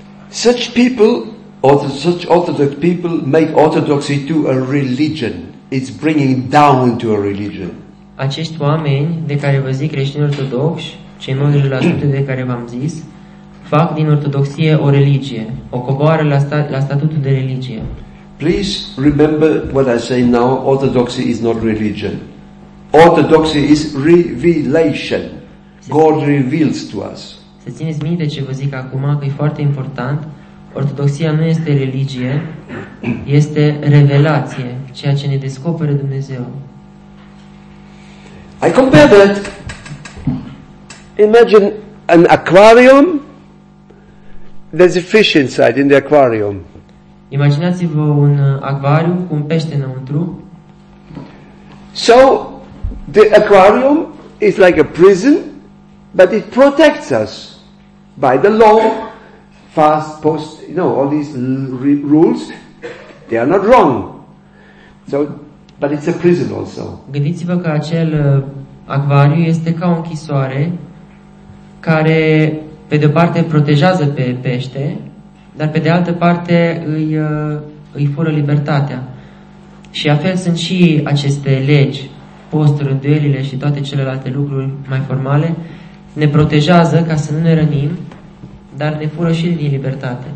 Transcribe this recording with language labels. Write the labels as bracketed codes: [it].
[en] Such people, such Orthodox people, make Orthodoxy to a religion. It's bringing down to a religion. [ro] Acești oameni de care vă zic creștini ortodoxi, cei 90% de care v-am zis, fac din Ortodoxie o religie, o coboară la statutul de religie. [en] Please remember what I say now, Orthodoxy is not religion. Orthodoxy is revelation. God reveals to us. [ro] Să țineți minte ce vă zic acum, că e foarte important. Ortodoxia nu este religie, este revelație, ceea ce ne descoperă Dumnezeu. [en] I compare that. Imagine an aquarium. There's a fish inside in the aquarium. [ro] Imaginați-vă un acvariu cu un pește înăuntru. [en] So, the aquarium is like a prison, but it protects us by the law, fast, post, you know, all these rules, they are not wrong. So, but it's a prison also. [ro] Gândiți-vă că acel acvariu este ca o închisoare care, pe de o parte, protejează pe pește, dar pe de altă parte îi fură libertatea. Și afel sunt și aceste legi, posturi, rânduielile și toate celelalte lucruri mai formale, ne protejează ca să nu ne rănim, dar ne fură și din libertate.